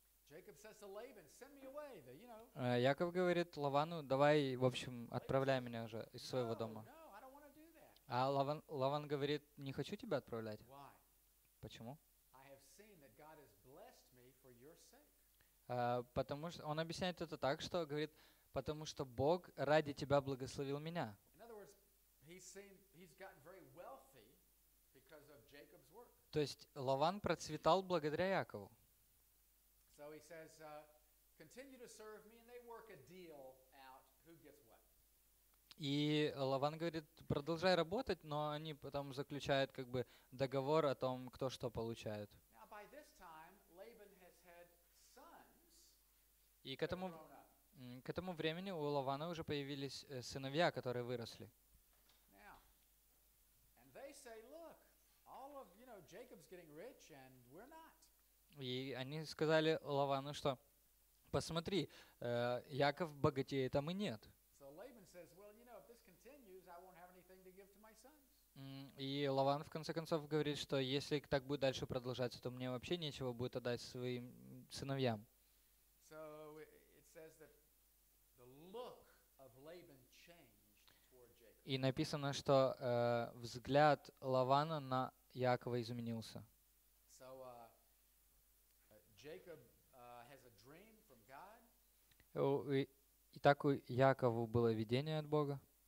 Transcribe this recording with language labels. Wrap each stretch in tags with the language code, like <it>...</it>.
<en>Jacob says to Laban, send me away, the, you know.</en> <ru>Яков говорит Лавану, давай, в общем, отправляй меня уже из своего дома.</ru> <en>No, I don't want to do that.</en> <ru>А Лаван говорит, не хочу тебя отправлять.</ru> <en>Why?</en> <ru>Почему?</ru> <en>I have seen that God has blessed me for your sake.</en> <ru>Потому что он объясняет это так, что говорит, потому что Бог ради тебя благословил меня.</ru> <en>In other words, he's gotten very wealthy because of Jacob's work.</en> <ru>То есть Лаван процветал благодаря Якову.</ru> <en>So he says, continue to serve me, and they work a deal out who gets what.</en> <ru>И Лаван говорит, продолжай работать, но они потом заключают как бы договор о том, кто что получает.</ru> <en>Now by this time Laban has had sons.</en> <ru>И к этому времени у Лавана уже появились сыновья, которые выросли.</ru> <en>Now, and they say, look, all of you know Jacob's getting rich, and we're not.</en> <ru>И они сказали Лавану, что посмотри, Яков богатеет, а мы нет.</ru> <en>So Laban says, well, you know, if this continues, I won't have anything to give to my sons.</en> <ru>И Лаван в конце концов говорит, что если так будет дальше продолжаться, то мне вообще нечего будет отдать своим сыновьям.</ru> <en>So it says that the look of Laban changed toward Jacob.</en> <ru>И написано, что взгляд Лавана на Якова изменился.</ru> <en>So, Jacob has a dream from God.</en> <ru>И так у Якова было видение от Бога.</ru>